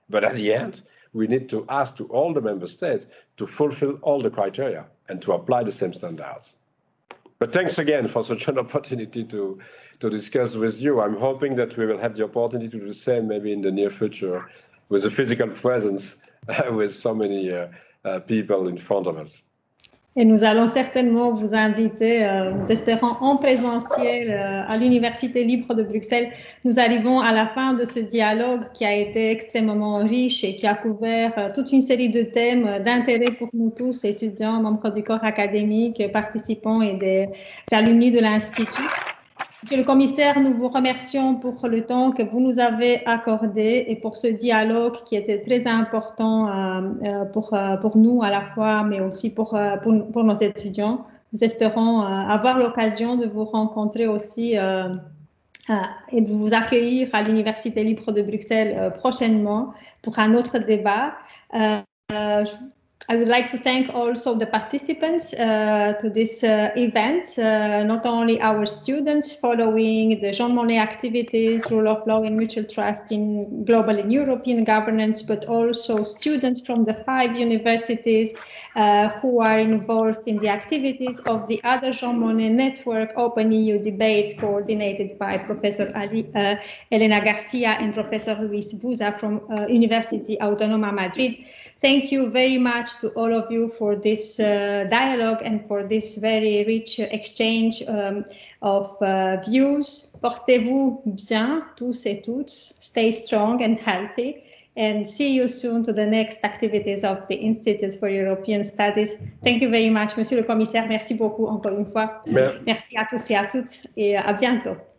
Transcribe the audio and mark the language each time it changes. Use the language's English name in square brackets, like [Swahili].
[English] But at the end, we need to ask to all the member states to fulfill all the criteria and to apply the same standards. But thanks again for such an opportunity to discuss with you. I'm hoping that we will have the opportunity to do the same maybe in the near future with a physical presence with so many people in front of us. [French] Et nous allons certainement vous inviter, nous espérons en présentiel à l'Université libre de Bruxelles. Nous arrivons à la fin de ce dialogue qui a été extrêmement riche et qui a couvert toute une série de thèmes d'intérêt pour nous tous, étudiants, membres du corps académique, participants et des alumni de l'Institut. Monsieur le Commissaire, nous vous remercions pour le temps que vous nous avez accordé et pour ce dialogue qui était très important pour nous à la fois, mais aussi pour nos étudiants. Nous espérons avoir l'occasion de vous rencontrer aussi et de vous accueillir à l'Université libre de Bruxelles prochainement pour un autre débat. [English] I would like to thank also the participants to this event, not only our students following the Jean Monnet activities, rule of law and mutual trust in global and European governance, but also students from the five universities who are involved in the activities of the other Jean Monnet network, Open EU Debate, coordinated by Professor Elena Garcia and Professor Luis Buza from University Autonoma Madrid. Thank you very much to all of you for this dialogue and for this very rich exchange of views. [French] Portez-vous bien, tous et toutes. [English] Stay strong and healthy. And see you soon to the next activities of the Institute for European Studies. Thank you very much, Monsieur le Commissaire. [French] Merci beaucoup encore une fois. Merci à tous et à toutes. Et à bientôt.